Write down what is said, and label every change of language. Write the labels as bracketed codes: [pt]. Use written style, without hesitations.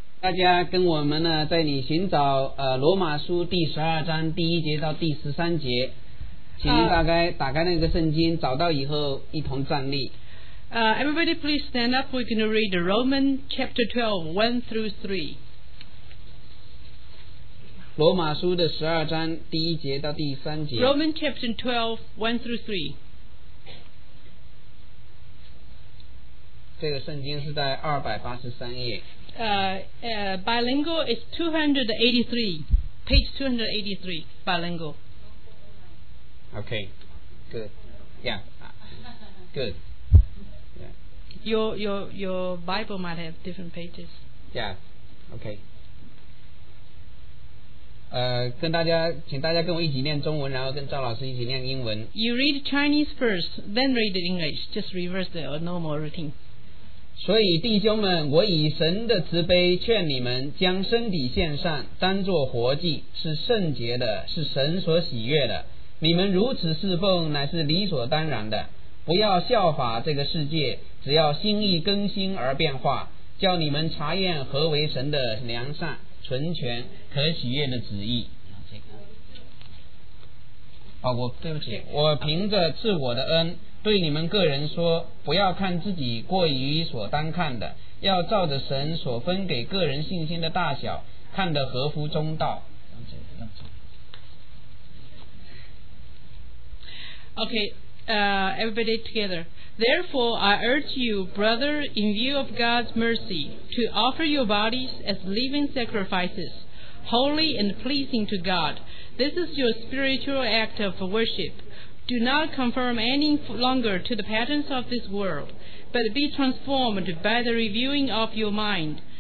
[zh] 大家跟我们呢，在你寻找罗马书第十二章第一节到第十三节，请大概打开那个圣经，找到以后一同站立。 [en] Everybody, please stand up. We're going to read Romans chapter 12, 1 through 3. [zh] 罗马书的十二章第一节到第三节。 [en] Romans chapter 12, 1 through 3. [zh] 这个圣经是在283页。 [en] Bilingual is 283, page 283, bilingual. Okay, good. Yeah, good. Yeah. Your Bible might have different pages. Yeah, okay. [zh] 跟大家，请大家跟我一起念中文，然后跟赵老师一起念英文。 [en] You read Chinese first, then read English. Just reverse the normal routine. [zh] 所以弟兄们，我以神的慈悲劝你们，将身体献上，当作活祭，是圣洁的，是神所喜悦的。你们如此侍奉乃是理所当然的。不要效法这个世界，只要心意更新而变化，叫你们查验何为神的良善、纯全、可喜悦的旨意。哦，我对不起，我凭着自我的恩对你们个人说，不要看自己过于所单看的，要照着神所分给个人信心的大小，看得合乎中道。 [en] Okay, everybody together. Therefore, I urge you, brother, in view of God's mercy, to offer your bodies as living sacrifices, holy and pleasing to God. This is your spiritual act of worship. Do not conform any longer to the patterns of this world, but be transformed by the renewing of your mind.